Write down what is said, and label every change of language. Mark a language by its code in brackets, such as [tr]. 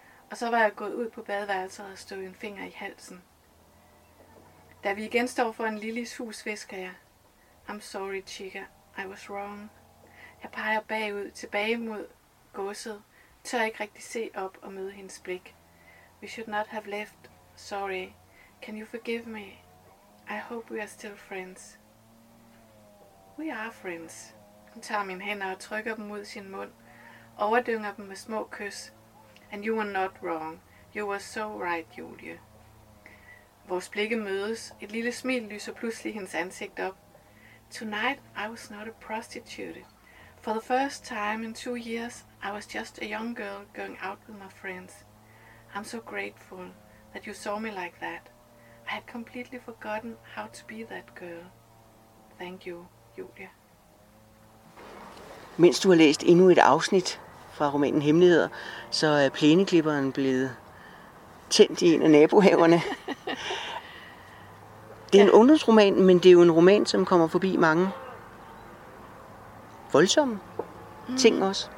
[da] Og så var jeg gået ud på badeværelset og stod en finger i halsen. Da vi igen står foran Lillys hus, visker jeg. [en] I'm sorry, Chica. I was wrong. [da] Jeg peger bagud, tilbage mod gåset, tør ikke rigtig se op og møde hendes blik. [en] We should not have left. Sorry. Can you forgive me? I hope we are still friends. We are friends. [da] Hun tager mine hænder og trykker dem mod sin mund. Overdynger dem med små kys. [en] And you were not wrong. You were so right, Julie. [da] Vores blikke mødes. Et lille smil lyser pludselig hendes ansigt op. [en] Tonight I was not a prostitute. For the first time in 2 years, I was just a young girl going out with my friends. I'm so grateful that you saw me like that. I had completely forgotten how to be that girl. Thank you, Julia. [da] Mens du har læst endnu et afsnit fra romanen Hemmeligheder, så er plæneklipperen blevet tændt i en af nabohaverne. Det er en ungdomsroman, men det er jo en roman, som kommer forbi mange voldsomme ting også.